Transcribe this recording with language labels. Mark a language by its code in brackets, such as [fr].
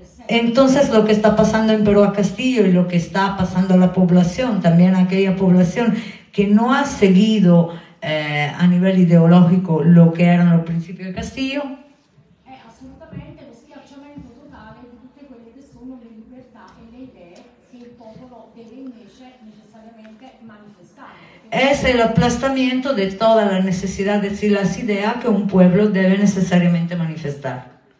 [es] Entonces lo que está pasando en Perú a Castillo y lo que está pasando a la población, también a aquella población que no ha seguido a nivel ideológico lo que eran los principios de Castillo, es absolutamente el [it] schiacciamento totale de tutte quelle che sono le libertà e le idee che il popolo deve invece necessariamente manifestare. [es] Es el aplastamiento de toda la necesidad de decir las ideas que un pueblo debe necesariamente manifestar.